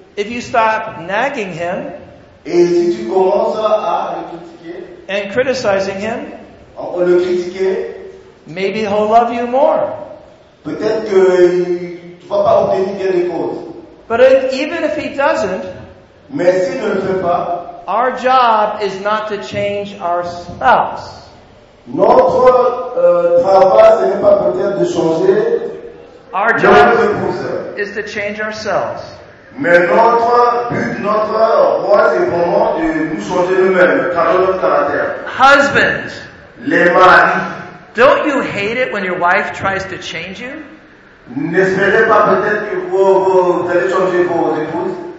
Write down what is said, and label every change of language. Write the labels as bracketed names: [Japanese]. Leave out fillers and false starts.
[English] If you stop nagging him. [French] Et si tu commences à le critiquer, [English] and criticizing him, [French] en le critiquer, [English] maybe he'll love you more. [French] Peut-être que tu vas pas obtenir quelque chose. [English] But even if he doesn't, [French] mais s'il ne le fait pas, [English] our job is not to change our spouse. [French] Notre travail, ce n'est pas peut-être de changer notre épouse. [English] Our job is to change ourselves. [French] Mais notre but, notre rôle, c'est vraiment de nous changer nous-mêmes, car notre caractère. [English] Husbands. [French] Les maris. [English] Don't you hate it when your wife tries to change you? [French] N'espérez pas peut-être que vous allez changer vos épouses.